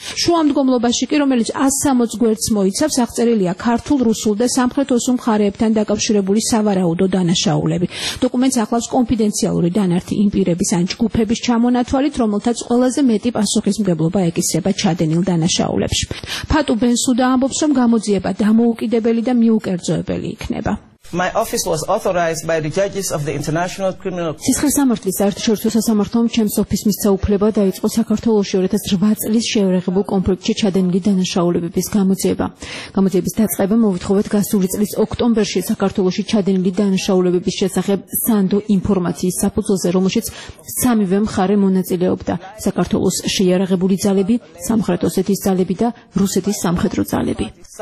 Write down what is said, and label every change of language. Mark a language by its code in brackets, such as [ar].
[ka] შუამდგომლობაში კი, რომელიც 160 გვერდს მოიცავს, აღწერილია ქართულ, რუსულ და სამხრეთო სულ მხარეებთან დაკავშირებული სავარაუდო დანაშაულები. დოკუმენტს ახლავს კონფიდენციალური დანართი იმპირების ან ჯგუფების ჩამონათვალით, რომელთაც ყველაზე მეტი პასუხისმგებლობა ეკისრება ჩადენილ დანაშაულებში. ფატუ ბენსუდა ამბობს, რომ გამოძიება დამოუკიდებელი და მიუკერძოებელი იქნება. [en] My office was authorized by the judges of the International Criminal Court. [ka] სისხლის სამართლის საერთაშორისო სასამართლომ ჩემს ოფისს მისცა უფლება დაიწყო საქართველოში 2008 წლის შეურაღებელ კონფლიქტში ჩადენილი დანაშაულებების გამოძიება. გამოძიების დაწყება მოვითხოვეთ გასული წლის ოქტომბერში საქართველოში ჩადენილი დანაშაულებების შესახებ სანდო ინფორმაციის საფუძველზე, რომელშიც სამივე მხარე მონაწილეობდა: საქართველოს შეიარაღებული ძალები, სამხრეთ ოსეთის ძალები და რუსეთის სამხედრო ძალები.